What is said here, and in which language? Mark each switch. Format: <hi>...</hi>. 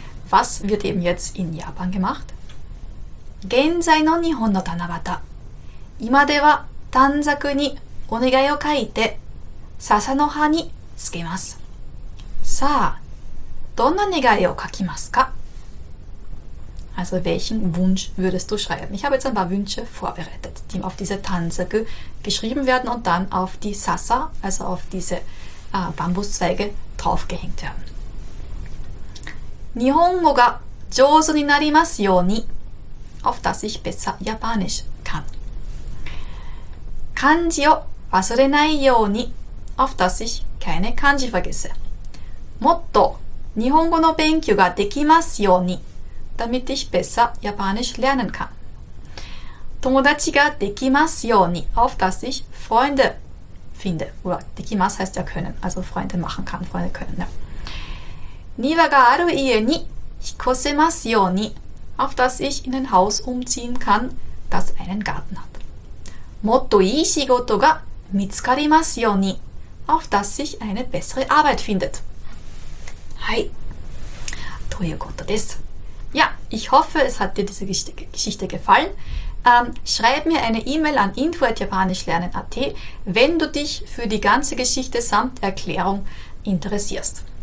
<de>Was wird eben jetzt in Japan gemacht?</de> <ja>現在の日本の七夕、今では短冊にお願いを書いて笹の葉につけます。さあ、どんな願いを書きますか?</ja> <de>Also, welchen Wunsch würdest du schreiben? Ich habe jetzt ein paar Wünsche vorbereitet, die auf diese Tansage geschrieben werden und dann auf die Sasa, also auf diese Bambuszweige, draufgehängt werden.</de> <ja>日本語が上手になりますように,</ja> <de>auf dass ich besser Japanisch kann.</de> <ja>漢字を忘れないように,</ja> <de>auf dass ich keine Kanji vergesse.</de> <ja>もっと日本語の勉強ができますように。</ja> <de>Damit ich besser Japanisch lernen kann.</de> <ja>友達ができますように。</ja> <de>Auf dass ich Freunde finde. Oder できます heißt ja können. Also Freunde machen kann, Freunde können. Ja.</de> <ja>庭がある家に引っ越せますように。</ja> <de>Auf dass ich in ein Haus umziehen kann, das einen Garten hat.</de> <ja>もっといい仕事が見つかりますように。</ja> <de>Auf dass ich eine bessere Arbeit findet.</de> <ja>はい、ということです。</ja> <de>Ja, ich hoffe, es hat dir diese Geschichte gefallen. Schreib mir eine E-Mail an info@japanischlernen.at, wenn du dich für die ganze Geschichte samt Erklärung interessierst.</de>